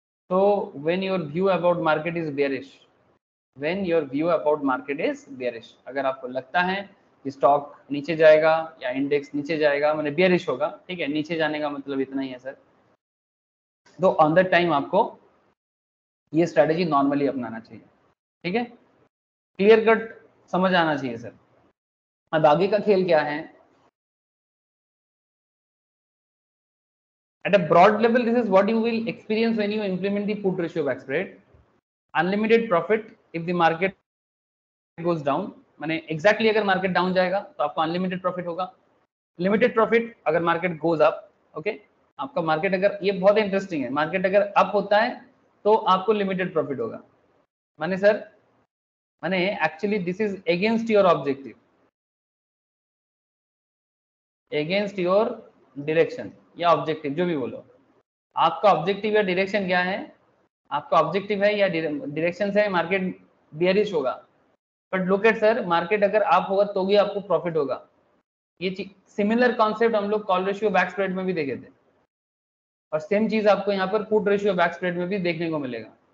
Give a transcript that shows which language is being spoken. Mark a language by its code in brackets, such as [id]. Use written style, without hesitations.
[hi] तो when your view about market is bearish, When your view about market is bearish, अगर आपको लगता है कि stock नीचे जाएगा या index नीचे जाएगा, मैंने bearish होगा, ठीक है, नीचे जाने का मतलब इतना ही है सर, तो on the time आपको ये strategy normally अपनाना चाहिए, ठीक है, clear cut समझ आना चाहिए सर। [en] अब आगे का खेल क्या है, at a broad level this is what you will experience when you implement the put ratio back spread, unlimited profit If the market goes down, माने exactly अगर market down जाएगा तो आपको unlimited profit होगा, limited profit अगर market goes up, okay? [hi] आपका market अगर, ये बहुत interesting है, market अगर up होता है तो आपको limited profit होगा। [en] माने sir, माने actually this is against your objective, against your direction या objective, जो भी बोलो। [hi] आपका objective या direction क्या है, आपका objective है या direction से market बियरिश होगा, but look at sir, market अगर आप होगा तो भी आपको प्रॉफिट होगा। ये सिमिलर कॉन्सेप्ट हम लोग कॉल रेशियो बैक स्प्रेड में भी देखे थे, और सेम चीज आपको यहाँ पर पुट रेशियो बैक स्प्रेड में भी देखने को मिलेगा।